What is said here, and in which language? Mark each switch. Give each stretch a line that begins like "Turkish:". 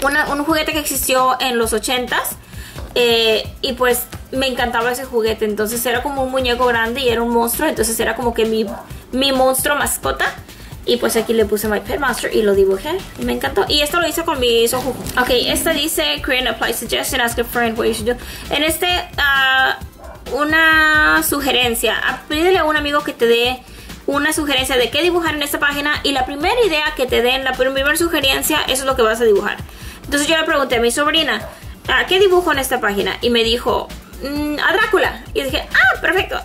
Spanish: Un juguete que existió en los 80s. Y pues me encantaba ese juguete. Entonces era como un muñeco grande y era un monstruo. Entonces era como que mi monstruo mascota. Y pues aquí le puse My Pet Monster y lo dibujé. Y me encantó. Y esto lo hice con mi Sohu. Ok, esta dice,
English: create and apply suggestion, ask a friend what you should do.
Spanish: En este, una sugerencia. Pídele a un amigo que te dé una sugerencia de qué dibujar en esta página. Y la primera idea que te den, la primera sugerencia, eso es lo que vas a dibujar. Entonces yo le pregunté a mi sobrina, ¿qué dibujo en esta página? Y me dijo, a Drácula. Y dije, ah, perfecto.